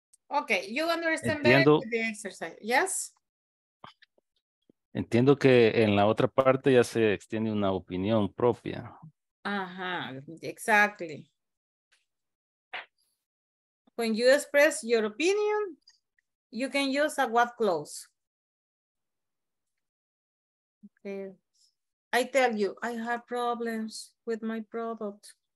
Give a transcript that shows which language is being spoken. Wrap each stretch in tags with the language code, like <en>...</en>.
<en>Okay, you understand entiendo, better the exercise, yes?</en> <es>Entiendo que en la otra parte ya se extiende una opinión propia.</es> <en>Ajá, exactly. When you express your opinion, you can use a what clause. Okay. I tell you, I have problems with my product.</en>